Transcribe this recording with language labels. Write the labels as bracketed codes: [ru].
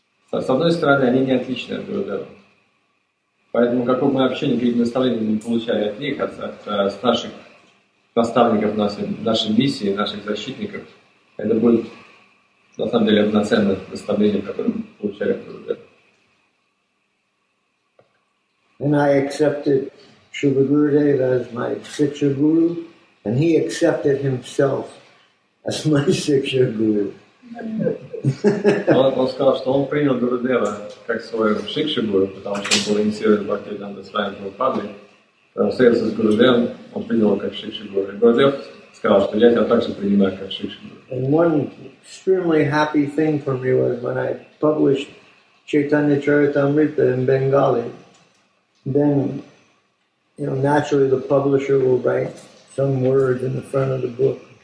[ru] С одной стороны, они не отличны от Гурудева. Поэтому какое бы мы общение, какие бы наставления мы получали от них, от наших наставников, нашей миссии, наших защитников, это будет, на самом деле, одноценное наставление, которое мы получали от Гурудев. [en] And I accepted Shubha Gurudev as my Siksha Guru, and he accepted himself as my Siksha Guru. [ru] Он сказал, что он принял Гурудева как свой шикшигуру, потому что он был инициирован Бхактивиданта Свами Прабхупадой, там, встретился с Гурудевом, он принял его как Шикши Гуру. И Гурудев сказал, что я тебя также принимаю как Шикши Гуру. [en] And one extremely happy thing for me was when I published Chaitanya Charitamrita in Bengali, then, you know, naturally the publisher will write some words in the front of the book.